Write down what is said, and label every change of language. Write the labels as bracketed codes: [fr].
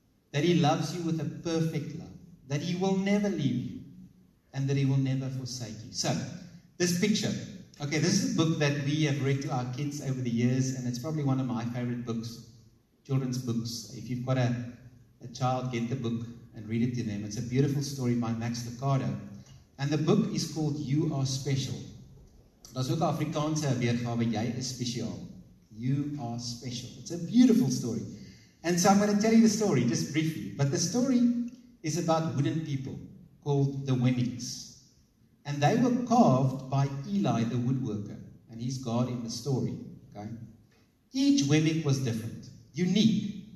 [en] That He loves you with a perfect love. That He will never leave you. And that He will never forsake you. So, this picture. Okay, this is a book that we have read to our kids over the years, and it's probably one of my favorite books, children's books. If you've got a child, get the book and read it to them. It's a beautiful story by Max Lucado. And the book is called You Are Special. [af] Daar's ook 'n Afrikaanse weergawe, Jy is Spesiaal. [en] You Are Special. It's a beautiful story. And so I'm going to tell you the story, just briefly. But the story is about wooden people called the Wemmicks. And they were carved by Eli the woodworker. And he's God in the story. Okay? Each Wemmick was different, unique.